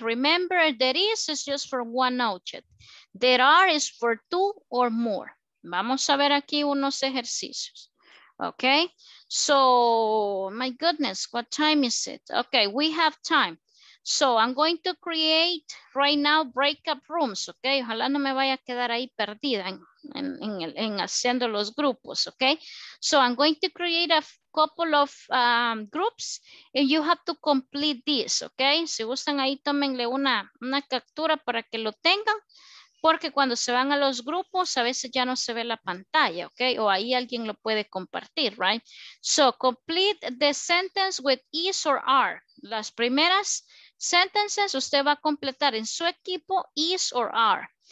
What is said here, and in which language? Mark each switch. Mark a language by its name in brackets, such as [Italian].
[English] Remember, there is just for one object. There are is for two or more. [Spanish] Vamos a ver aquí unos ejercicios, okay? [English] So, my goodness, what time is it? Okay, we have time. So, I'm going to create right now breakup rooms, okay? [Spanish] Ojalá no me vaya a quedar ahí perdida en haciendo los grupos, okay? [English] So, I'm going to create a couple of groups and you have to complete this, okay? [Spanish] Si gustan ahí, tómenle una captura para que lo tengan. Porque cuando se van a los grupos, a veces ya no se ve la pantalla, ¿ok? O ahí alguien lo puede compartir, right? [English] So, complete the sentence with is or are. [Spanish] Las primeras sentences usted va a completar en su equipo, [English] is or are.